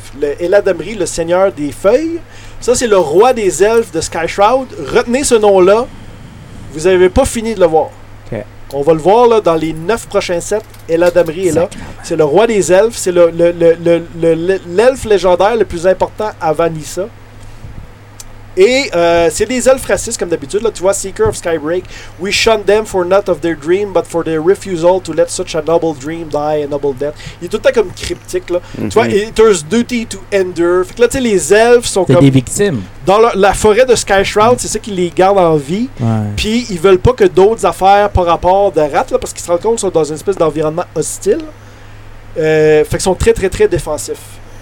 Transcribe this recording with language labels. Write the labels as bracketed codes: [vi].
[fr] Le Eladamri, le seigneur des feuilles. Ça, c'est le roi des elfes de Sky Shroud. Retenez ce nom-là. Vous n'avez pas fini de le voir. Okay. On va le voir là, dans les 9 prochains sets. Eladamri est là. C'est le roi des elfes. C'est l'elfe légendaire le plus important avant Nissa. Et c'est des elfes racistes, comme d'habitude. Là. Tu vois, Seeker of Skybreak. [en] We shun them for not of their dream, but for their refusal to let such a noble dream die a noble death. [fr] Il est tout le temps comme cryptique. Là. Mm-hmm. Tu vois, [en] there's duty to endure. [fr] Fait que là, tu sais, les elfes sont des victimes. Dans la forêt de Sky Shroud, c'est ça qui les garde en vie. Puis ils veulent pas que d'autres affaires par rapport de rat, parce qu'ils se rendent compte qu'ils sont dans une espèce d'environnement hostile. Fait qu'ils sont très, très, très défensifs.